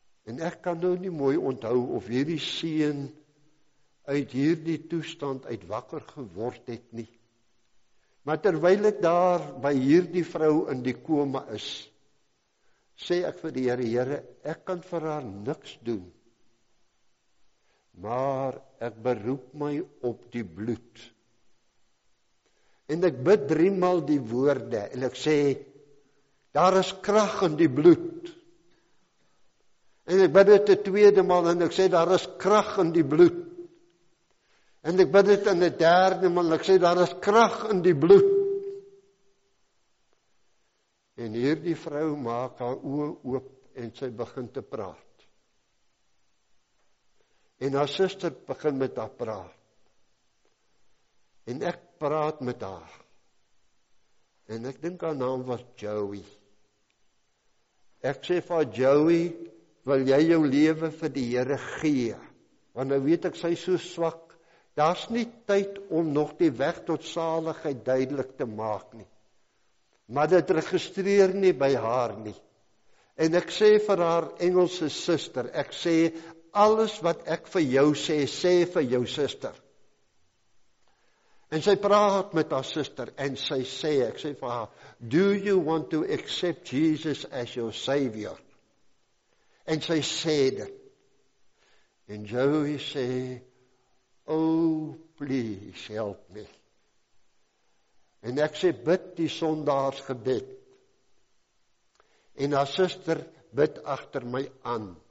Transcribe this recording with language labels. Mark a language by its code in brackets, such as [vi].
[af] En ek kan nou nie mooi onthou of hierdie seun uit hierdie toestand uit wakker geword het nie. Maar terwyl ek daar by hierdie vrou in die koma is, sê ek vir die Here, Here, ek kan vir haar niks doen. Maar ek beroep my op die bloed. En ek bid 3 maal die woorde, en ek sê, daar is krag in die bloed. En ek bid het 2de maal, en ek sê, daar is krag in die bloed. En ek bid het in 3de maal, en ek sê, daar is krag in die bloed. En hierdie vrou maak haar oë oop, en sy begin te praat. En haar suster begin met haar praat. En ek praat met haar. En ek dink haar naam was Joey. Ek sê vir haar, Joey, wil jy jou lewe vir die Here gee? Want nou weet ek, sy so swak. Daar's nie tyd om nog die weg tot saligheid duidelik te maak nie. Maar dit registreer nie by haar nie. En ek sê vir haar Engelse suster, ek sê, alles wat ek vir jou sê, sê vir jou suster. En sy praat met haar suster, en sy sê, ek sê vir haar, [en] do you want to accept Jesus as your Savior? [af] En sy sê dit. En Joey sê, [en] oh, please help me. [af] En ek sê, bid die sondaars gebed. En haar suster bid achter my aan.